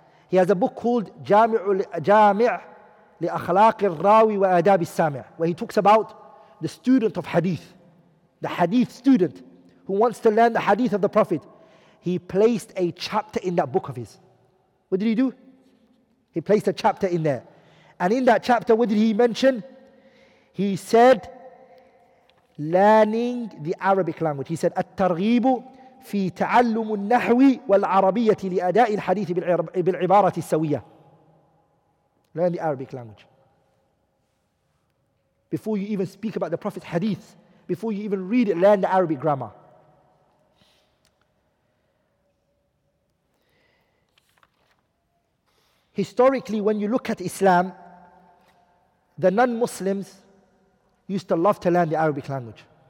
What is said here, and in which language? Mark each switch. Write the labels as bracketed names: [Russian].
[English] He has a book called Jami' لأخلاق الراوي وآداب السامع, where he talks about the student of hadith, the hadith student who wants to learn the hadith of the Prophet. He placed a chapter in that book of his. What did he do? He placed a chapter in there. And in that chapter, what did he mention? He said, learning the Arabic language. [Arabic] He said, الترغيب في تعلم النحو والعربية لأداء الحديث بالعبارة السوية. [English] Learn the Arabic language. Before you even speak about the Prophet's hadith, before you even read it, learn the Arabic grammar. Historically, when you look at Islam, the non-Muslims used to love to learn the Arabic language.